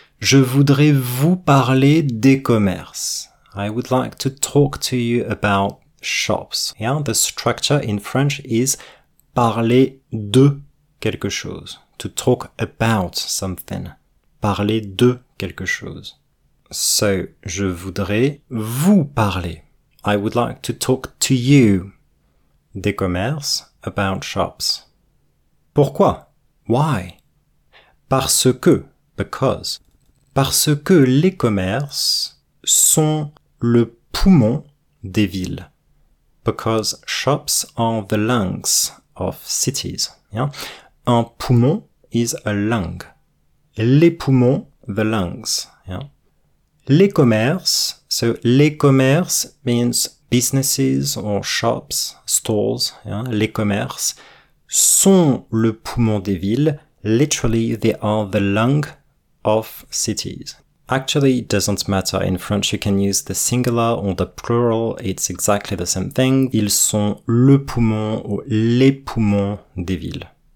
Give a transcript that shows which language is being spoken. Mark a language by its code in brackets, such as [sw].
[fr] Je voudrais vous parler des commerces. [en] I would like to talk to you about shops. Yeah, the structure in French is [fr] parler de quelque chose. [en] To talk about something. [fr] Parler de quelque chose. So, je voudrais vous parler. [en] I would like to talk to you. [fr] Des commerces. [en] About shops. [fr] Pourquoi? [en] Why? [fr] Parce que, [en] because, [fr] parce que les commerces sont le poumon des villes. [en] Because shops are the lungs of cities. Yeah? [fr] Un poumon [en] is a lung. [fr] Les poumons, [en] the lungs. Yeah? Les commerces, so les commerces means businesses or shops, stores. Yeah? [fr] Les commerces sont le poumon des villes. [en] Literally, they are the lung of cities. Actually, it doesn't matter. In French, you can use the singular or the plural. It's exactly the same thing. [fr] Ils sont le poumon ou les poumons des villes.